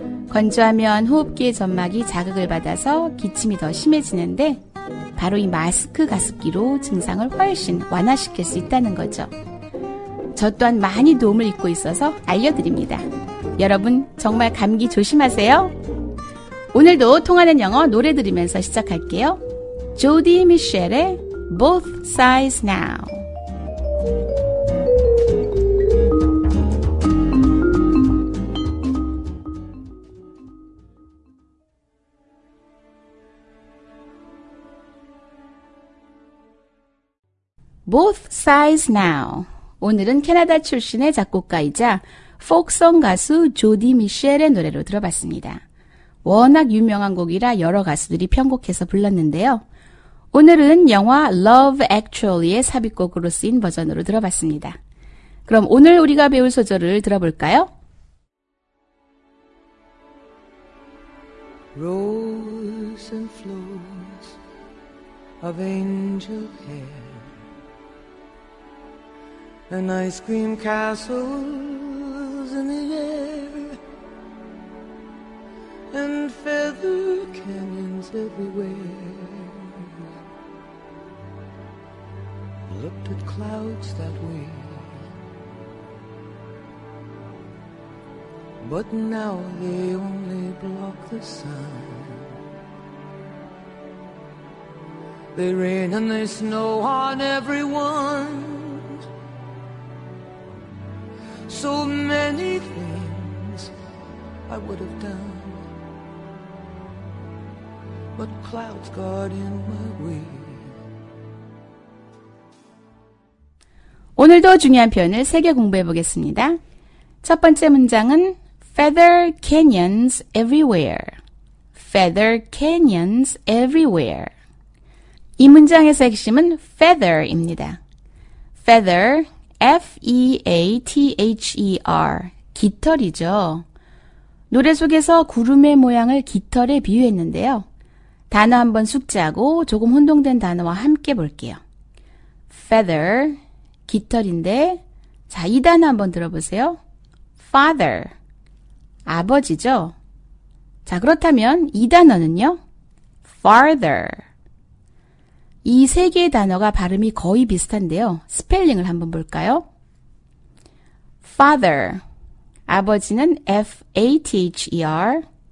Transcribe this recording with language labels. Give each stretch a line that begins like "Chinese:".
Korean: 건조하면 호흡기의 점막이 자극을 받아서 기침이 더 심해지는데 바로 이 마스크 가습기로 증상을 훨씬 완화시킬 수 있다는 거죠. 저 또한 많이 도움을 입고 있어서 알려드립니다. 여러분 정말 감기 조심하세요. 오늘도 통하는 영어 노래 들으면서 시작할게요. 조디 미셸의 Both Sides Now.
English: 'Both Sides Now'.
Korean: 오늘은 캐나다 출신의 작곡가이자 folk-song 가수 조디 미셸의 노래로 들어봤습니다. 워낙 유명한 곡이라 여러 가수들이 편곡해서 불렀는데요. 오늘은 영화 'Love Actually'의 삽입곡으로 쓰인 버전으로 들어봤습니다. 그럼 오늘 우리가 배울 소절을 들어볼까요?
English: Rose and flows of angel hair. And ice cream castles in the air. And feather canyons everywhere. Looked at clouds that way. But now they only block the sun. They rain and they snow on everyone. So many things I would have done, but clouds got in my way.
Korean: 오늘도 중요한 표현을 세 개 공부해 보겠습니다. 첫 번째 문장은
English: Feather canyons everywhere. Feather canyons everywhere.
Korean: 이 문장에서 핵심은 feather입니다. Feather. F-E-A-T-H-E-R, 깃털이죠. 노래 속에서 구름의 모양을 깃털에 비유했는데요. 단어 한번 숙지하고 조금 혼동된 단어와 함께 볼게요. Feather, 깃털인데, 자, 이 단어 한번 들어보세요. Father, 아버지죠. 자, 그렇다면 이 단어는요?
English: Farther.
Korean: 이 세 개의 단어가 발음이 거의 비슷한데요. 스펠링을 한번 볼까요? Father, 아버지는 F-A-T-H-E-R.